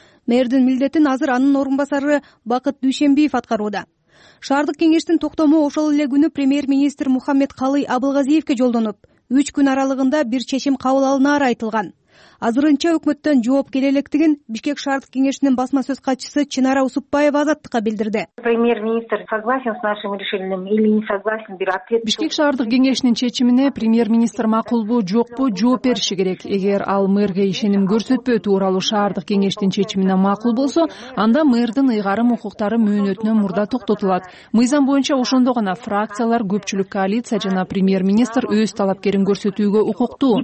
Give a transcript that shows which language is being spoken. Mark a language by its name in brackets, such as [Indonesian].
[Kyrgyz] Мэрдин милдетин азыр анын орун басары Бакыт Дүйшөнбиев аткарууда. Шаардык кеңештин токтому ошол эле күнү премьер-министр Мухаммед Калый Абылгазиевке жолдонуп, 3 күн аралыгында бир чечим кабыл алынаары айтылган. Азырынча өкмөттөн жооп келе электигин Бишкек шаардык кеңешинин басма сөз катчысы Чынара Усупбаева Азаттыкка билдирди. [Russian] Премьер-министр согласен с нашим решением или не согласен, бир ответ. [Kyrgyz] Бишкек шаардык кеңешинин чечимине премьер-министр макулбу, жокпу жооп бериши керек. Эгер ал мэрге ишеним көрсөтпөө тууралуу шаардык кеңештин чечимине макул болсо, анда мэрдин ыйгарым укуктары мөөнөтүнө мурда токтотулат. Мыйзам боюнча ошондо гана фракциялар, көпчүлүк коалиция жана премьер-министр өз талапкерин көрсөтүүгө укуктуу.